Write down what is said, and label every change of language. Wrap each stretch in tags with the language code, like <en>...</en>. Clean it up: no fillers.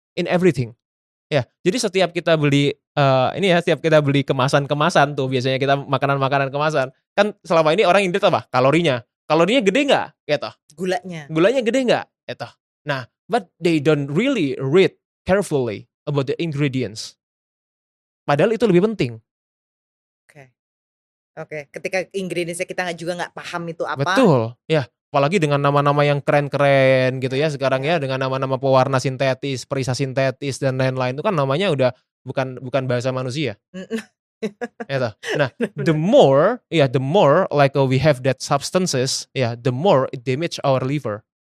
<id>Ya, yeah. Jadi setiap kita beli setiap kita beli kemasan-kemasan tuh, biasanya kita makanan-makanan kemasan, kan selama ini orang ingat apa? Kalorinya. Kalorinya gede enggak? Gitu. Gulanya. Gulanya gede enggak? Gitu.</id> <en>Nah, but they don't really read carefully about the ingredients.</en> <id>Padahal itu lebih penting. Oke, okay. Ketika ingredients-nya kita juga nggak paham itu apa. Betul, ya. Apalagi dengan nama-nama yang keren-keren gitu ya sekarang ya, dengan nama-nama pewarna sintetis, perisa sintetis, dan lain-lain. Itu kan namanya udah bukan bahasa manusia. Gitu.</id> <en>Nah, the more like we have that substances, ya, the more it damage our liver.</en>